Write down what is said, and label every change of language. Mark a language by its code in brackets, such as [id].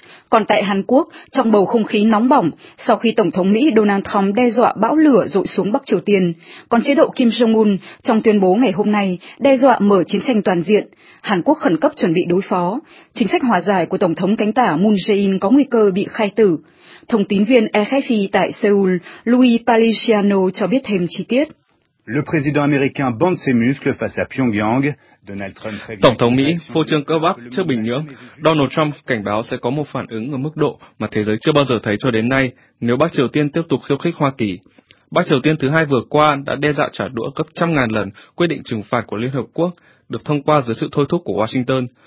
[vi] Còn tại Hàn Quốc, trong bầu không khí nóng bỏng, sau khi Tổng thống Mỹ Donald Trump đe dọa bão lửa dội xuống Bắc Triều Tiên, còn chế độ Kim Jong-un trong tuyên bố ngày hôm nay đe dọa mở chiến tranh toàn diện, Hàn Quốc khẩn cấp chuẩn bị đối phó, chính sách hòa giải của Tổng thống cánh tả Moon Jae-in có nguy cơ bị khai tử. Thông tín viên RFI tại Seoul, Louis Paligiano cho biết thêm chi tiết. [fr] Le président américain bande ses muscles face à Pyongyang. [vi] Tổng thống Mỹ phô trương cơ bắp trước Bình Nhưỡng. Donald Trump cảnh báo sẽ có một phản ứng ở mức độ mà thế giới chưa bao giờ thấy cho đến nay nếu Bắc Triều Tiên tiếp tục khiêu khích Hoa Kỳ. Bắc Triều Tiên thứ hai vừa qua đã đe dọa trả đũa gấp trăm ngàn lần quyết định trừng phạt của Liên Hợp Quốc được thông qua dưới sự thôi thúc của Washington.